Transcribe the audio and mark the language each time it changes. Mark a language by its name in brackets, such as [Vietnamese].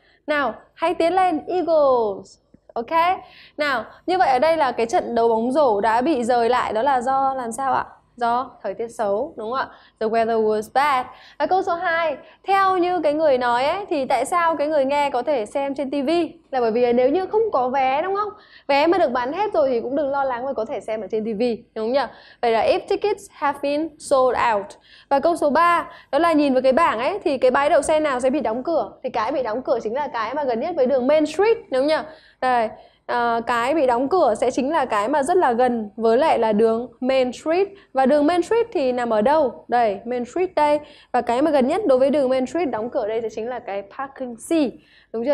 [Vietnamese] Nào, hãy tiến lên Eagles. Ok. Nào, như vậy ở đây là cái trận đấu bóng rổ đã bị rời lại đó là do làm sao ạ? Do thời tiết xấu, đúng không ạ? [English] The weather was bad. [Vietnamese] Và câu số 2, theo như cái người nói ấy, thì tại sao cái người nghe có thể xem trên TV? Là bởi vì nếu như không có vé, đúng không? Vé mà được bán hết rồi thì cũng đừng lo lắng và có thể xem ở trên TV, đúng không nhỉ? Vậy là [English] if tickets have been sold out. [Vietnamese] Và câu số 3, đó là nhìn vào cái bảng ấy, thì cái bãi đậu xe nào sẽ bị đóng cửa? Thì cái bị đóng cửa chính là cái mà gần nhất với đường Main Street, đúng không nhỉ? Đây, cái bị đóng cửa sẽ chính là cái mà rất là gần với lại là đường Main Street. Và đường Main Street thì nằm ở đâu? Đây, Main Street đây. Và cái mà gần nhất đối với đường Main Street đóng cửa đây sẽ chính là cái Parking C. Đúng chưa?